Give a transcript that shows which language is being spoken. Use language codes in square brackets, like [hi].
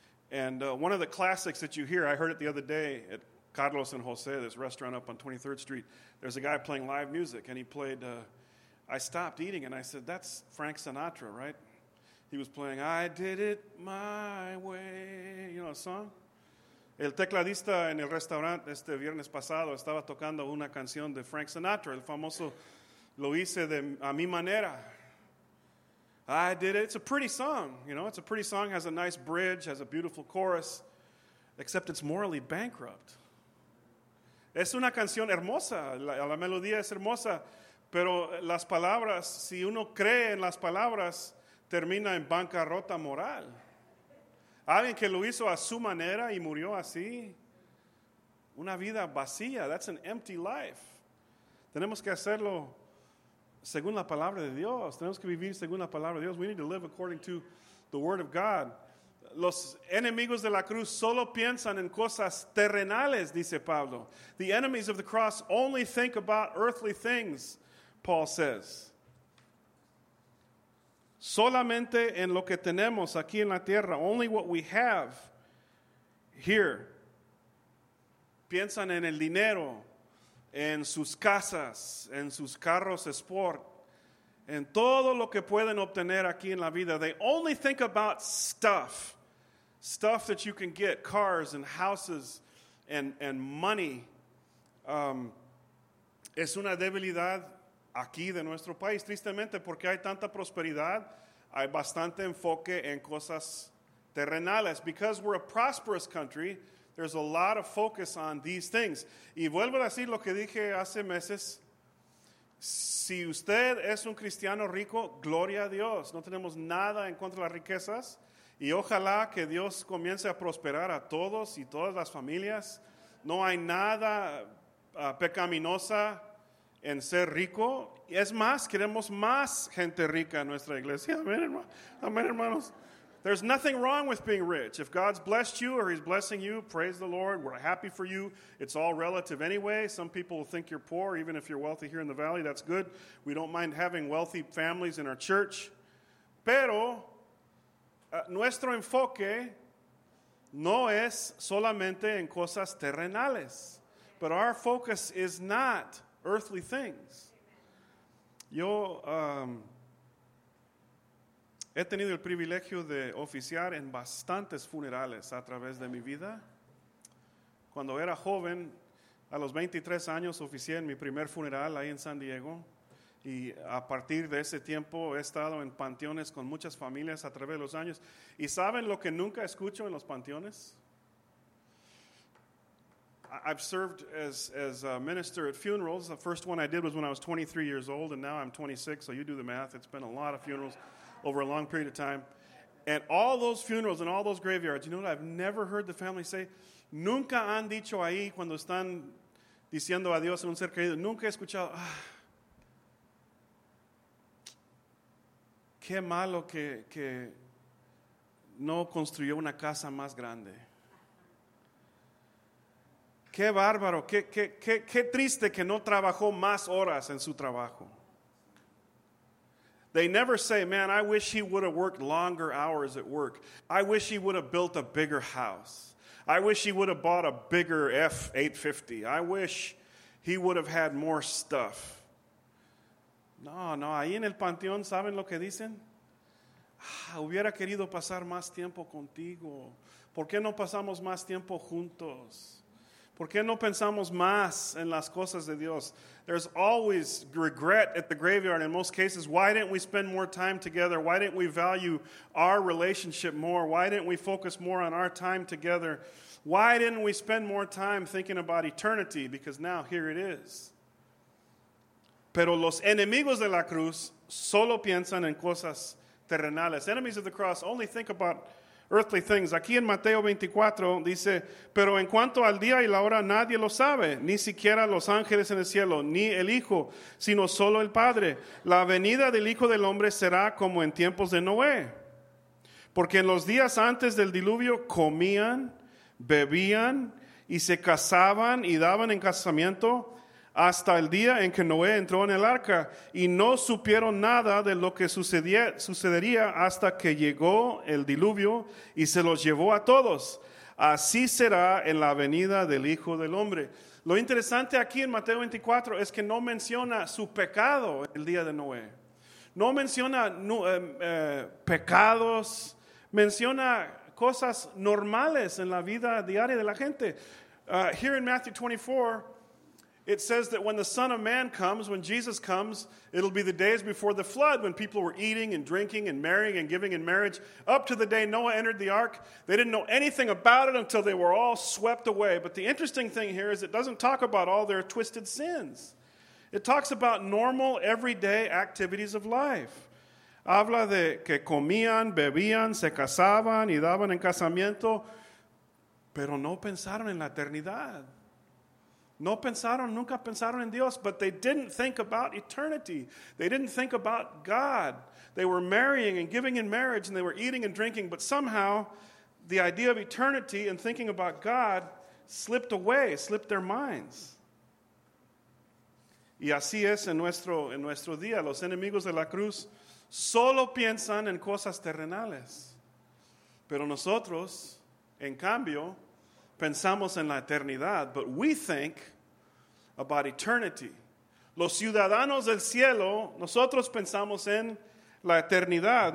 [en] And one of the classics that you hear, I heard it the other day at Carlos and Jose, this restaurant up on 23rd Street. There's a guy playing live music, and he played... I stopped eating, and I said, that's Frank Sinatra, right? He was playing, I did it my way, you know, a song. [es] El tecladista en el restaurante este viernes pasado estaba tocando una canción de Frank Sinatra, el famoso Lo Hice de A Mi Manera. [en] I did it. It's a pretty song, you know. It's a pretty song, has a nice bridge, has a beautiful chorus, except it's morally bankrupt. [es] Es una canción hermosa. La melodía es hermosa. Pero las palabras, si uno cree en las palabras, termina en bancarrota moral. Alguien que lo hizo a su manera y murió así. Una vida vacía. [en] That's an empty life. [es] Tenemos que hacerlo según la palabra de Dios. Tenemos que vivir según la palabra de Dios. [en] We need to live according to the word of God. [es] Los enemigos de la cruz solo piensan en cosas terrenales, dice Pablo. [en] The enemies of the cross only think about earthly things. Paul says, [es] solamente en lo que tenemos aquí en la tierra, [en] only what we have here. [es] Piensan en el dinero, en sus casas, en sus carros sport, en todo lo que pueden obtener aquí en la vida. [en] They only think about stuff, stuff that you can get, cars and houses and money. [es] Es una debilidad aquí de nuestro país, tristemente, porque hay tanta prosperidad, hay bastante enfoque en cosas terrenales. [en] Because we're a prosperous country, there's a lot of focus on these things. [es] Y vuelvo a decir lo que dije hace meses. Si usted es un cristiano rico, gloria a Dios. No tenemos nada en contra de las riquezas. Y ojalá que Dios comience a prosperar a todos y todas las familias. No hay nada pecaminosa en ser rico. Es más, queremos más gente rica en nuestra iglesia. Amén, hermanos. [en] There's nothing wrong with being rich. If God's blessed you or he's blessing you, praise the Lord. We're happy for you. It's all relative anyway. Some people think you're poor, even if you're wealthy here in the valley. That's good. We don't mind having wealthy families in our church. [es] Pero nuestro enfoque no es solamente en cosas terrenales. [en] But our focus is not earthly things. [es] Yo He tenido el privilegio de oficiar en bastantes funerales a través de mi vida. Cuando era joven, a los 23 años, oficié en mi primer funeral ahí en San Diego. Y a partir de ese tiempo he estado en panteones con muchas familias a través de los años. ¿Y saben lo que nunca escucho en los panteones? [en] I've served as a minister at funerals. The first one I did was when I was 23 years old, and now I'm 26, so you do the math. It's been a lot of funerals over a long period of time. And all those funerals and all those graveyards, you know what I've never heard the family say? [es] Nunca han dicho ahí cuando están diciendo adiós a un ser querido. Nunca he escuchado, ah, qué malo que no construyó una casa más grande. Qué bárbaro, qué triste que no trabajó más horas en su trabajo. [en] They never say, man, I wish he would have worked longer hours at work. I wish he would have built a bigger house. I wish he would have bought a bigger F-850. I wish he would have had more stuff. [es] No, no, ahí en el panteón, ¿saben lo que dicen? Ah, hubiera querido pasar más tiempo contigo. ¿Por qué no pasamos más tiempo juntos? ¿Por qué no pensamos más en las cosas de Dios? [en] There's always regret at the graveyard in most cases. Why didn't we spend more time together? Why didn't we value our relationship more? Why didn't we focus more on our time together? Why didn't we spend more time thinking about eternity? Because now, here it is. [es] Pero los enemigos de la cruz solo piensan en cosas terrenales. [en] Enemies of the cross only think about earthly things. [es] Aquí en Mateo 24 dice, pero en cuanto al día y la hora, nadie lo sabe, ni siquiera los ángeles en el cielo, ni el Hijo, sino solo el Padre. La venida del Hijo del Hombre será como en tiempos de Noé. Porque en los días antes del diluvio comían, bebían y se casaban y daban en casamiento hasta el día en que Noé entró en el arca, y no supieron nada de lo que sucedería hasta que llegó el diluvio y se los llevó a todos. Así será en la venida del Hijo del Hombre. Lo interesante aquí en Mateo 24 es que no menciona su pecado el día de Noé. No menciona pecados, menciona cosas normales en la vida diaria de la gente. [en] Here in Matthew 24, it says that when the Son of Man comes, when Jesus comes, it'll be the days before the flood when people were eating and drinking and marrying and giving in marriage up to the day Noah entered the ark. They didn't know anything about it until they were all swept away. But the interesting thing here is it doesn't talk about all their twisted sins. It talks about normal, everyday activities of life. [es] Habla de que comían, bebían, se casaban y daban en casamiento, pero no pensaron en la eternidad. No pensaron, nunca pensaron en Dios, [en] but they didn't think about eternity. They didn't think about God. They were marrying and giving in marriage, and they were eating and drinking, but somehow the idea of eternity and thinking about God slipped away, slipped their minds. [es] Y así es en nuestro día. Los enemigos de la cruz solo piensan en cosas terrenales. Pero nosotros, en cambio, pensamos en la eternidad, [en] but we think about eternity. [es] Los ciudadanos del cielo, nosotros pensamos en la eternidad.